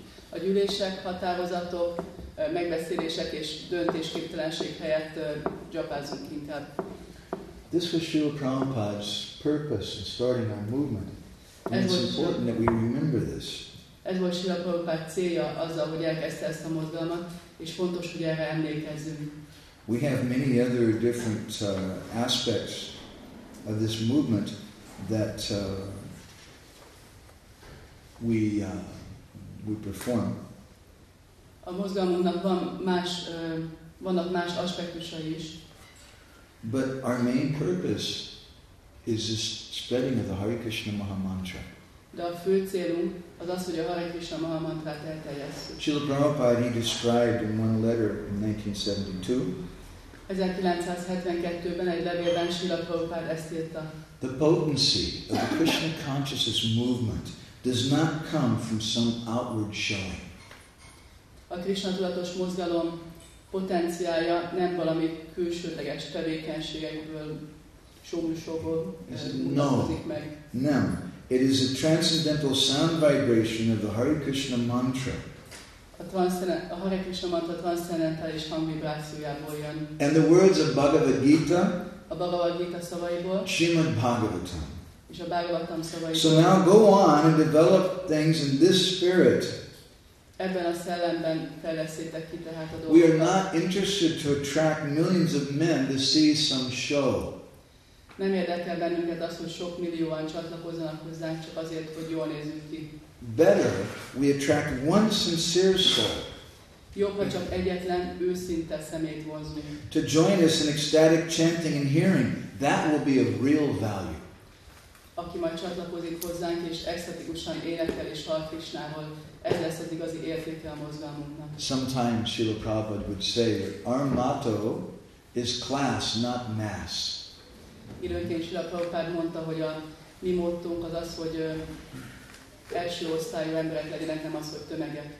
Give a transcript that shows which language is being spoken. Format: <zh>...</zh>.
<hu>A gyűlések, határozatok, megbeszélések és döntésképtelenség helyett japázunk inkább.</hu> <en>This was Srila Prabhupada's purpose in starting our movement. And it's important that we remember this.</en> <hu>Ez volt Srila Prabhupada célja azzal, hogy elkezdte ezt a mozgalmat, és fontos, hogy erre emlékezzünk.</hu> <en>We have many other different aspects of this movement that we perform.</en> <hu>A mozgalmunknak van más, vannak más aspektusai is.</hu> <en>But our main purpose is this spreading of the Hare Krishna Maha Mantra.</en> <hu>De a fő célunk az az, hogy a Hare Krishna Maha Mantrát elterjesszük.</hu> <en>Srila Prabhupada, he described in one letter in 1972.</en> <hu>1972-ben egy levélben Srila Prabhupada ezt írta.</hu> <en>The potency of the Krishna consciousness movement does not come from some outward showing.</en> <hu>A Krishna tudatos mozgalom potenciálja nem valami külsődleges tevékenységekből, showmusokból mutatkozik meg.</hu> <en>No. It is a transcendental sound vibration of the Hare Krishna mantra.</en> <hu>A Hare Krishna mantra transzendentális hangvibrációjából jön.</hu> <en>And the words of Bhagavad Gita.</en> <hu>A Bhagavad Gita szavaiból.</hu> <en>Srimad Bhagavatam.</en> <hu>És a Bhagavatam szavaiból.</hu> <en>So now go on and develop things in this spirit.</en> <hu>Ebben a szellemben fejlesztétek ki tehát a dolgokat.</hu> <en>We are not interested to attract millions of men to see some show.</en> <hu>Nem érdekel bennünket az, hogy sok millióan csatlakozzanak hozzánk, csak azért, hogy jól nézzünk ki.</hu> <en>Better we attract one sincere soul.</en> <hu>Jobb, ha csak egyetlen őszinte szemét vonzunk.</hu> <en>To join us in ecstatic chanting and hearing, that will be of real value.</en> <hu>Aki majd csatlakozik hozzánk, és extatikusan énekel és hall Krisnáról, ez lesz az igazi értéke a mozgalmunknak.</hu> <en>Sometimes Srila Prabhupada would say, our motto is class, not mass.</en> <hu>Időnként Srila Prabhupada mondta, hogy a mi mottónk az az, hogy első osztályú emberek legyenek, nem az, hogy tömegek.</hu>